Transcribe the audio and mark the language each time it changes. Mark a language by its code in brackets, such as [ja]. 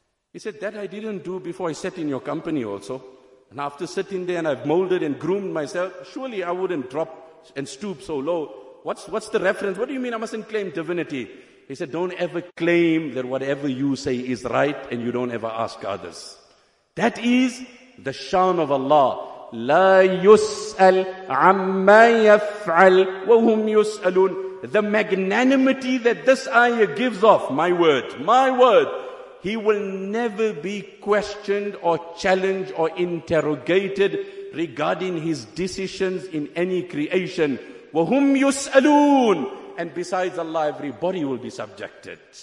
[en] He said, that I didn't do before I sat in your company also. And after sitting there and I've molded and groomed myself, surely I wouldn't drop and stoop so low. What's the reference? What do you mean I mustn't claim divinity? He said, don't ever claim that whatever you say is right and you don't ever ask others. That is the shan of Allah. [ar] لا يسأل عما يفعل وهم يسألون. [en] The magnanimity that this ayah gives off, my word, he will never be questioned or challenged or interrogated regarding his decisions in any creation. [ar] وهم يسألون. [en] And besides Allah, everybody will be subjected.